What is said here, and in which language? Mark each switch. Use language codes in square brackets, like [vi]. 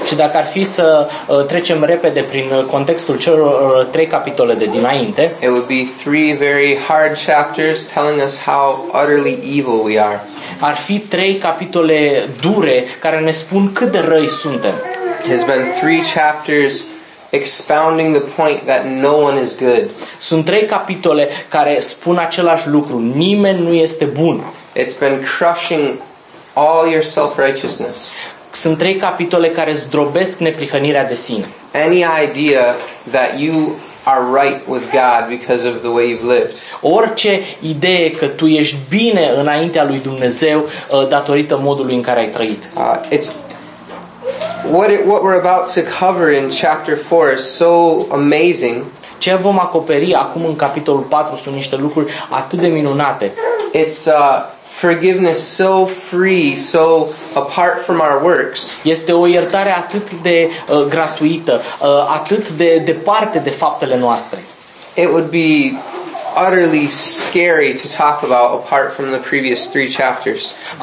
[ro] Și dacă ar fi să trecem repede prin contextul celor trei capitole de dinainte. [en] It would be three very hard chapters telling us how utterly evil we are. [ro] Ar fi trei capitole dure care ne spun cât de răi suntem. [en] It has been three chapters expounding the point that no one is good. [ro] Sunt trei capitole care spun același lucru, nimeni nu este bun. [en] It's been crushing all your self-righteousness. [ro] Sunt trei capitole care zdrobesc neprihănirea de sine. [en] Any idea that you are right with God because of the way you've lived. [ro] Orice idee că tu ești bine înaintea lui Dumnezeu datorită modului în care ai trăit. [en] What we're about to cover in chapter 4 is so amazing. [ro] Ce vom acoperi acum în capitolul 4 sunt niște lucruri atât de minunate. [en] It's forgiveness so free, so apart from our works. [ro] Este o iertare atât de gratuită, atât de departe de faptele noastre. [en] It would be utterly scary to talk about apart from the previous three chapters.